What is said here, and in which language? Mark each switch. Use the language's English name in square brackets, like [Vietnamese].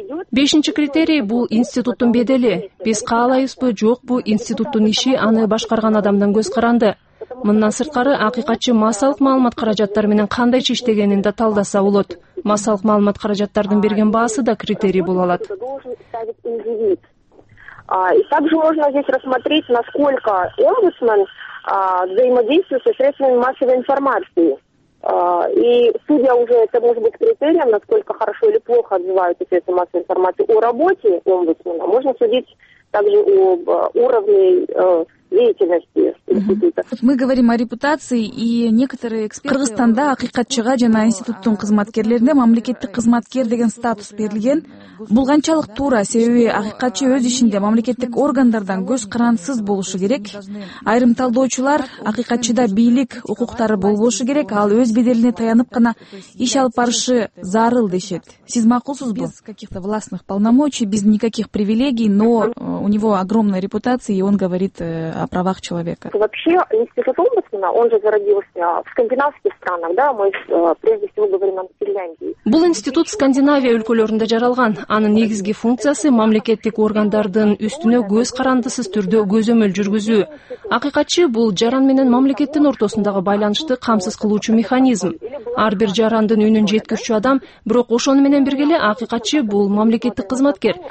[Kyrgyz] Бешинчи критерий бул институттун бедели. Биз каалайбызбы, жокпу, институттун иши аны башкарган адамдан көз каранды. Мындан сырткары акыйкатчы массалык маалымат каражаттары менен кандайча иштегенин да талдаса болот. Массалык маалымат каражаттардын берген баасы да критерий боло алат. [Russian] И также можно здесь рассмотреть, насколько омбудсман взаимодействует со средствами массовой информации. И судя уже, это может быть критерием, насколько хорошо или плохо отзываются средства массовой информации о работе омбудсмана, можно судить также об уровне деятельности. Мы говорим о репутации, и некоторые эксперты... [Kyrgyz] Кыргызстанда акыйкатчыга жана институттун кызматкерлерине мамлекеттик кызматкер деген статус берилген. Бул канчалык туура? Себеби акыйкатчы өз ишинде мамлекеттик органдардан көз карансыз болушу керек. Айрым талдоочулар акыйкатчыда бийлик укуктары болбошу керек, ал өз беделине таянып гана иш алып барышы зарыл дешет. Сиз макулсузбу? [Russian] Без каких-то властных полномочий, без никаких привилегий, но у него огромная репутация, и он говорит о правах человека. Вообще институт омбудсмена, он же зародился в скандинавских странах, да, мы прежде всего говорим о Финляндии. [Kyrgyz] Бул институт Скандинавия өлкөлөрүндө жаралган. Анын негизги функциясы мамлекеттик органдардын үстүнө көз карандысыз түрдө көзөмөл жүргүзүү. Акыйкатчы бул жаран менен мамлекеттин ортосундагы байланышты камсыз кылуучу механизм. Ар бир жарандын үнүн жеткирүүчү адам, бирок ошону менен бирге эле акыйкатчы бул мамлекеттик кызматкер.